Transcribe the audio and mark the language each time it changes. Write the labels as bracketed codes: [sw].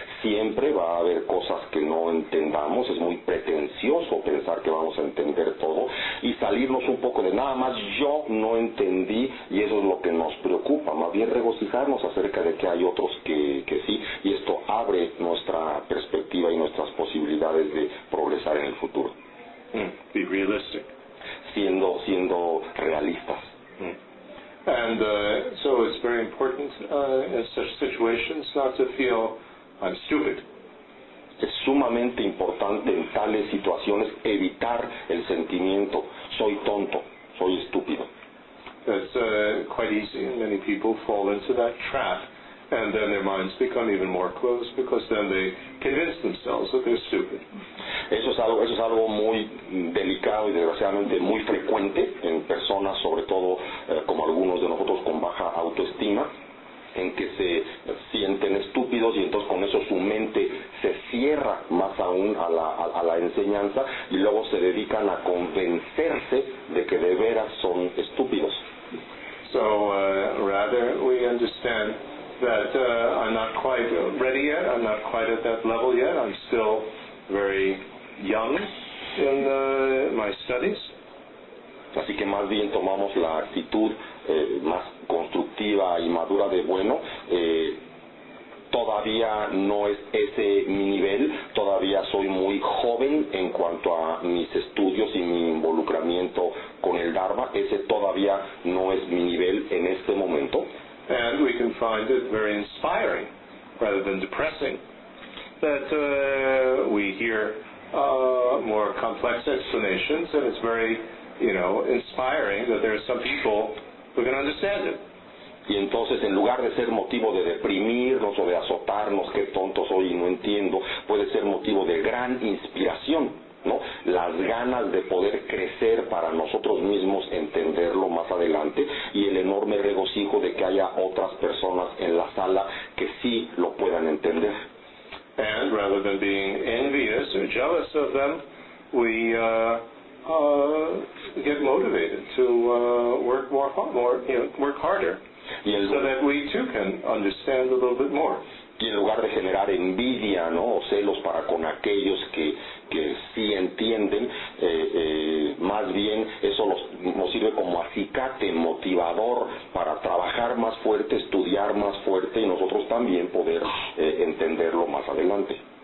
[es] Siempre va a haber cosas que no entendamos, es muy pretencioso pensar que vamos a entender todo y salirnos un poco de nada más yo no entendí, y eso es lo que nos preocupa, más bien regocijarnos acerca de que hay otros que sí, y esto abre nuestra perspectiva y nuestras posibilidades de progresar en el futuro. [en] Be realistic. [es] Siendo realistas. [en] And so it's very important in such situations not to feel I'm stupid. [es] Es sumamente importante en tales situaciones evitar el sentimiento soy tonto, soy estúpido. [en] It's quite easy, and many people fall into that trap, and then their minds become even more closed because then they convince themselves that they're stupid. [es] Eso es algo muy delicado y desgraciadamente muy frecuente en personas, sobre todo como algunos de nosotros con baja autoestima, en que se sienten estúpidos y entonces con eso su mente se cierra más aún a la enseñanza y luego se dedican a convencerse de que de veras son estúpidos. [en] So rather we understand that I'm not quite ready yet, I'm not quite at that level yet, I'm still very young in my studies. [es] Así que más bien tomamos la actitud más constructiva y madura de bueno, todavía no es ese mi nivel, todavía soy muy joven en cuanto a mis estudios y mi involucramiento con el Dharma, ese todavía no es mi nivel en este momento. [en] And we can find it very inspiring rather than depressing that we hear more complex explanations, and it's very, you know, inspiring that there are some people who can understand it. [es] Y entonces, en lugar de ser motivo de deprimirnos o de azotarnos, qué tonto soy y no entiendo, puede ser motivo de gran inspiración, ¿no? Las ganas de poder crecer para nosotros mismos, entenderlo más adelante, y el enorme regocijo de que haya otras personas en la sala que sí lo puedan entender. [en] And rather than being envious or jealous of them, we get motivated to work harder. So that we too can understand a little bit more. [es] Y en lugar de generar envidia, ¿no?, o celos para con aquellos que sí entienden, más bien eso nos sirve como acicate motivador para trabajar más fuerte, estudiar más fuerte y nosotros también poder entenderlo más adelante.